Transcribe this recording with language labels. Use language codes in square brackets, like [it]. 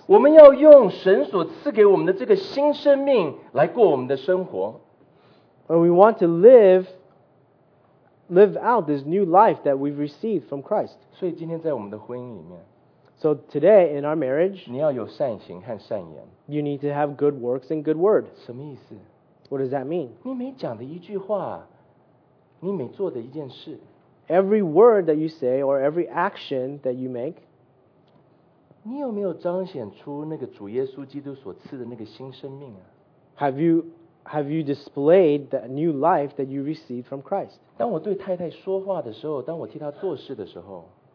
[zh] 我们要用神所赐给我们的这个新生命来过我们的生活。 [en] And we want to live out this new life that we've received from Christ. [zh] 所以今天在我们的婚姻里面。 [en] So today in our marriage, [zh] 你要有善行和善言。 [en] You need to have good works and good word. [zh] 什么意思？ [en] What does that mean? [zh] 你每讲的一句话，你每做的一件事， [en] every word that you say or every action that you make, [zh] 你有没有彰显出那个主耶稣基督所赐的那个新生命啊？ [en] Have you displayed the new life that you received from Christ? [zh] 当我对太太说话的时候，当我替她做事的时候，